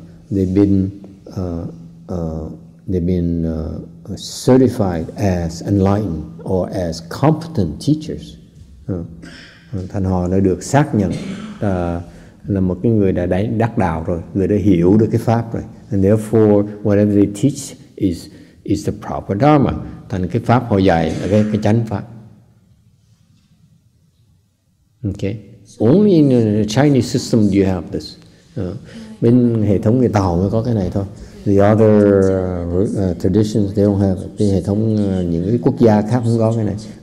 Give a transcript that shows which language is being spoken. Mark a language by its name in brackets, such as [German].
[English] They've been certified as enlightened or as competent teachers. [Vietnamese] Thành họ đã được xác nhận là một cái người đã đắc đạo rồi, người đã hiểu được cái pháp rồi. [English] And therefore whatever they teach is the proper dharma. [Vietnamese] Thành cái pháp họ dạy là cái chánh pháp. [English] Okay. Only in the Chinese system do you have this. [Vietnamese] Bên hệ thống người Tàu mới có cái này thôi. [English] The other traditions they don't have. [Vietnamese] Bên hệ thống những cái quốc gia khác không có cái này.